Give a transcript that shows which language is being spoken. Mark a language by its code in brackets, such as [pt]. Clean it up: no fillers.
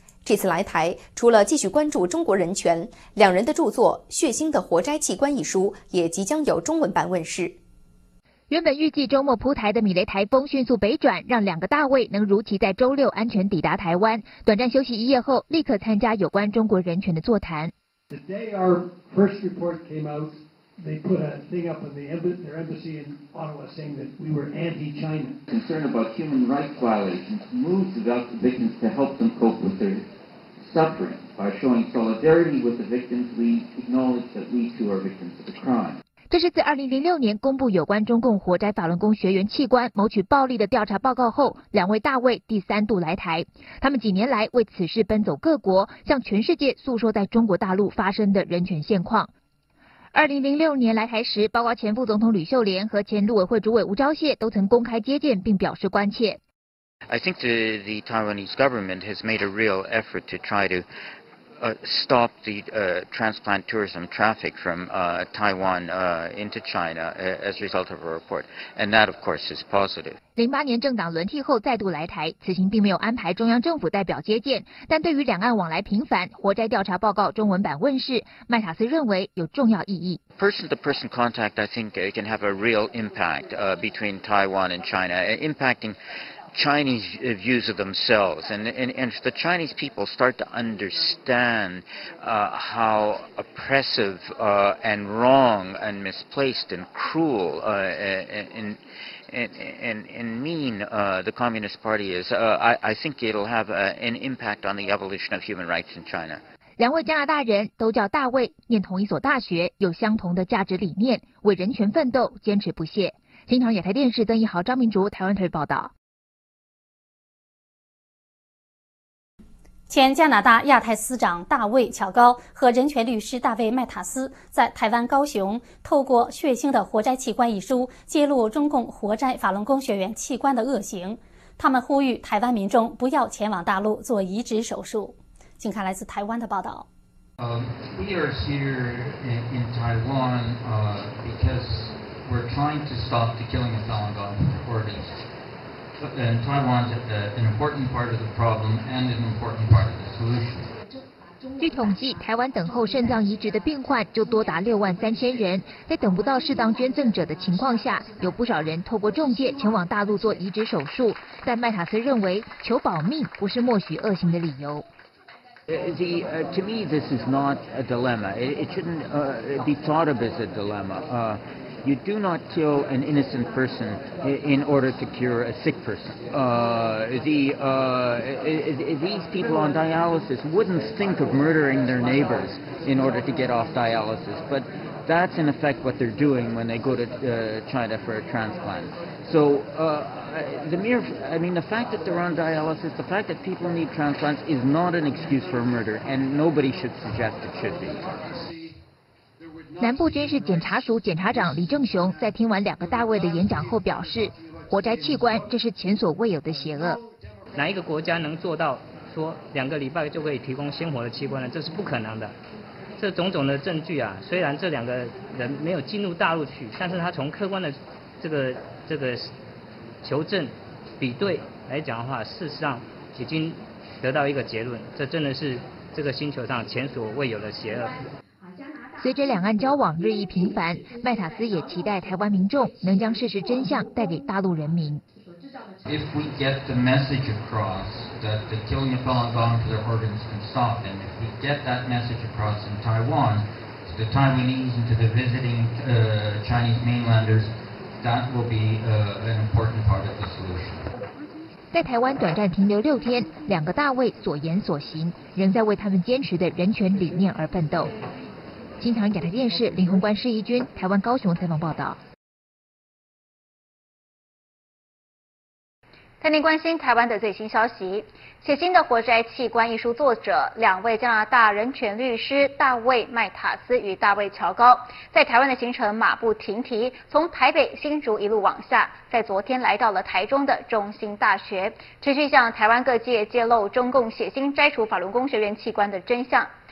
[zh] 这次来台，除了继续关注中国人权，两人的著作《血腥的活摘器官》一书也即将有中文版问世。原本预计周末铺台的米雷台风迅速北转，让两个大卫能如期在周六安全抵达台湾。短暂休息一夜后，立刻参加有关中国人权的座谈。 [en] The day our first report came out, they put a thing up in their embassy in Ottawa saying that we were anti-China. Concern about human rights violations moved about the victims to help them cope with their suffering. By showing solidarity with the victims, we acknowledge that we too are victims of the crime. [zh] 这是自2006年公布有关中共活摘法轮功学员器官谋取暴利的调查报告后，两位大卫第三度来台。他们几年来为此事奔走各国，向全世界诉说在中国大陆发生的人权现况。 2006年来台时，包括前副总统吕秀莲和前陆委会主委吴钊燮都曾公开接见并表示关切。 [en] I think the Taiwanese government has made a real effort to try to stop the transplant tourism traffic from Taiwan into China as a result of a report, and that of course is positive. [zh] 08年政党轮替后再度来台，此行并没有安排中央政府代表接见，但对于两岸往来频繁，活摘调查报告中文版问世，麦塔斯认为有重要意义。 [en] Person-to-person contact, I think, it can have a real impact between Taiwan and China, impacting. Chinese views of themselves, and if the Chinese people start to understand how oppressive and wrong and misplaced and cruel and mean the Communist Party is, I think it'll have an impact on the evolution of human rights in China. [zh] 两位加拿大人都叫大卫，念同一所大学，有相同的价值理念，为人权奋斗，坚持不懈。新唐亚太电视曾一豪、张明竹，台湾台报道。前加拿大亚太司长大卫·乔高和人权律师大卫·麦塔斯在台湾高雄透过《血腥的活摘器官》一书揭露中共活摘法轮功学员器官的恶行，他们呼吁台湾民众不要前往大陆做移植手术。请看来自台湾的报道。 [en] We are here in Taiwan because we're trying to stop the killing of Falun Gong authorities. And Taiwan's an important part of the problem and an important part of the solution. [zh] 据统计，台湾等候肾脏移植的病患就多达63000人。在等不到适当捐赠者的情况下，有不少人透过中介前往大陆做移植手术。但麦塔斯认为，求保命不是默许恶行的理由。 [en] To me, this is not a dilemma. It shouldn't be thought of as a dilemma. You do not kill an innocent person in order to cure a sick person. These people on dialysis wouldn't think of murdering their neighbors in order to get off dialysis, but that's in effect what they're doing when they go to China for a transplant. So the fact that they're on dialysis, the fact that people need transplants is not an excuse for murder, and nobody should suggest it should be. [zh] 南部军事检察署检察长李正雄在听完两个大卫的演讲后表示，活摘器官这是前所未有的邪恶。哪一个国家能做到说两个礼拜就可以提供鲜活的器官呢？这是不可能的。这种种的证据啊，虽然这两个人没有进入大陆去，但是他从客观的这个求证比对来讲的话，事实上已经得到一个结论，这真的是这个星球上前所未有的邪恶。随着两岸交往日益频繁，麦塔斯也期待台湾民众能将事实真相带给大陆人民。 [en] If we get the message across that the killing of Falun Gong for their organs can stop, and if we get that message across in Taiwan to the Taiwanese and to the visiting Chinese mainlanders, that will be an important part of the solution. [zh] 在台湾短暂停留6天，两个大卫所言所行仍在为他们坚持的人权理念而奋斗。新唐亚太电视林宏观、施怡君，台湾高雄采访报道。带您关心台湾的最新消息。写新的活摘器官一书作者，两位加拿大人权律师大卫麦塔斯与大卫乔高，在台湾的行程马不停蹄，从台北新竹一路往下，在昨天来到了台中的中兴大学，持续向台湾各界揭露中共血腥摘除法轮功学员器官的真相。